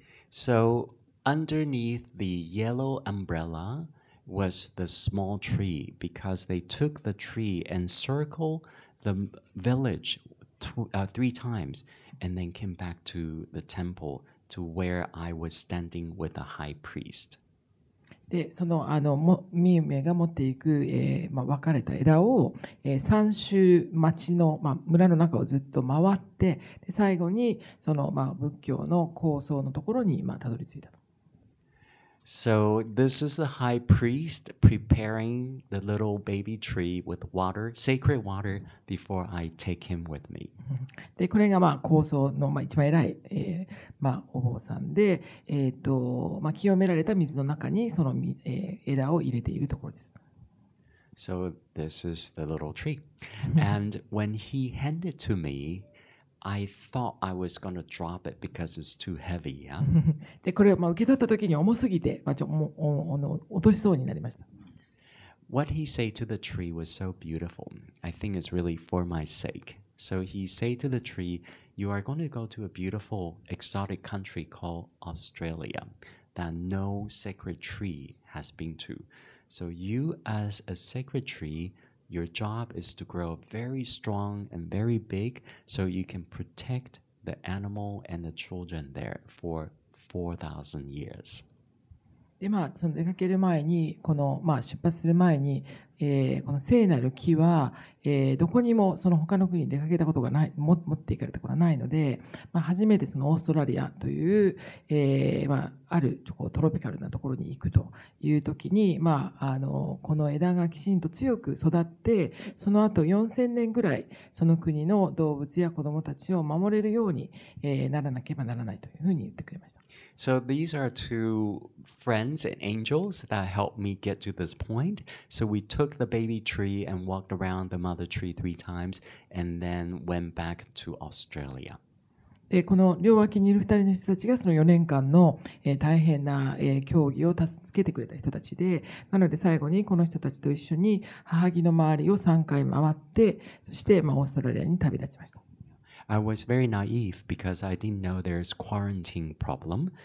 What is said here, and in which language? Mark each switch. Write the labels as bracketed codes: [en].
[en] So underneath the yellow umbrella was the small tree, because they took the tree and circled the village three times and then came back to the templeTo where I was standing with a high priest. [ja] で、その、ミンウェイが持っていく、まあ、分かれた枝を、三周町の、まあ、村の中をずっと回って、で最後にその、まあ、仏教の構想のところに、まあ、たどり着いたと。 [en] So this is the high priest preparing the little baby tree with water, sacred water, before I take him with me. [ja] で、これがまあ構想のまあ一番偉い、まあお坊さんで、まあ清められた水の中にその、枝を入れているところです。 [en] So this is the little tree. And when he handed it to me,I thought I was going to drop it because it's too heavy, yeah? [ja] で、これを受け取った時に重すぎて、まあ、落としそうになりました。 [en] What he said to the tree was so beautiful. I think it's really for my sake. So he said to the tree, you are going to go to a beautiful exotic country called Australia that no sacred tree has been to. So you as a sacred tree,Your job is to grow very strong and very big so you can protect the animal and the children there for 4,000 years. [ja] で、まあ、その出かける前に、この、まあ、出発する前に、この聖なる木は、どこにもその他の国に出かけたことがない、持っていかれたことがないので、まあ、初めてそのオーストラリアという、まあ、あるちょっとトロピカルなところに行くという時に、まあ、この枝がきちんと強く育って、その後4000年ぐらいその国の動物や子どもたちを守れるように、ならなければならないというふうに言ってくれました。 [en] So these are two friends and angels that helped me get to this point. So we took the baby tree and walked around the mother tree three times and then went back to Australia. [ja] で、この両脇にいる2人の人たちがその4年間の、大変な、競技を助けてくれた人たちで、なので最後にこの人たちと一緒に母木の周りを3回回って、そして、まあ、オーストラリアに旅立ちました。 [en] I was very naive because I didn't know there's quarantine problem.